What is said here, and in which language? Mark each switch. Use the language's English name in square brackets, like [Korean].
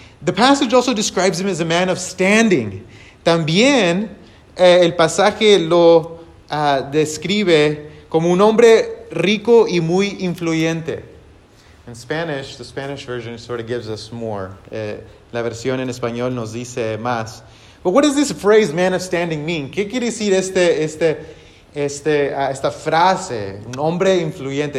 [English] The passage also describes him as a man of standing. [Spanish] También el pasaje lo describe como un hombre rico y muy influyente. [English] In Spanish, the Spanish version sort of gives us more. [Spanish] La versión en español nos dice más. [English] But what does this phrase, man of standing, mean? [Spanish] ¿Qué quiere decir esta frase, un hombre influyente?